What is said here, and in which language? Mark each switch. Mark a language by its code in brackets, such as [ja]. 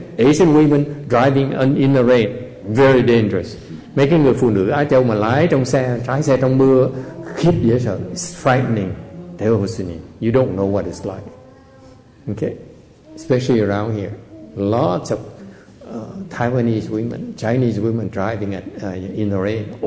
[en] Asian women driving in the rain, very dangerous. [vi] Mấy cái người phụ nữ Á Châu mà lái trong xe, trái xe trong mưa, khiếp dễ sợ. [en] It's frightening. You don't know what it's like. Okay? Especially around here. Lots of Taiwanese women, Chinese women driving at, in the rain.